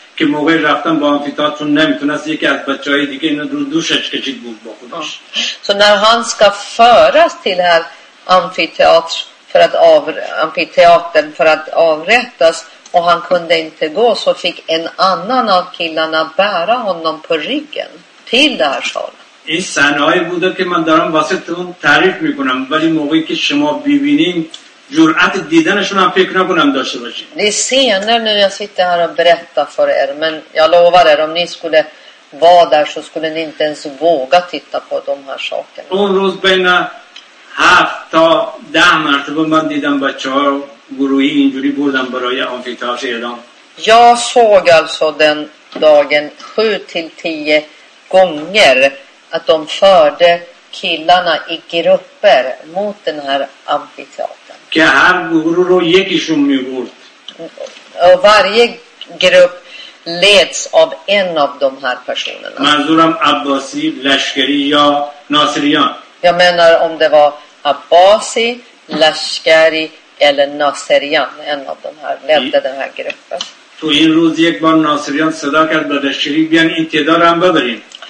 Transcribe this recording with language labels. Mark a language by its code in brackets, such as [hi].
[fa] که موقع رفتم با آمفی‌تئاتر نمیتونست یکی از بچه های دیگه این رو دوشش کشید بود با خودش. [sv] Så när han ska föras till här amfiteatr för att amfiteatern för att avrättas och han kunde inte gå så fick en annan av killarna bära honom på ryggen till det här salen. [fa] این صحنه‌ای بوده که من دارم واسهتون تعریف میکنم ولی موقعی که شما ببینین جرأت دیدنشون هم فکر نکنم داشته باشین. [sv] Det är senare när jag sitter här och berättar för er, men jag lovar er om ni skulle vara där så skulle ni inte ens våga titta på de här sakerna. [fa] اون روز بین 7 تا 10 مرتبه من دیدم بچه‌ها گروهی اینجوری بودن برای آمفی‌تئاتر اعدام. [sv] Jag såg alltså den dagen 7 till 10 gånger att de förde killarna i grupper mot den här amfiteatern. [fa] که هر گروه رو یکیشون می‌برد. [sv] Varje grupp leds av en av de här personerna. [fa] منظورم عباسی، لشکری یا ناصریان. [sv] Jag menar om det var عباسی، لشکری eller Naserian, en av de här ledde den här gruppen. [fa] تو این روز یک بار ناصریان صدا کرد به دشتری بیان این تعداد رو هم ببرین.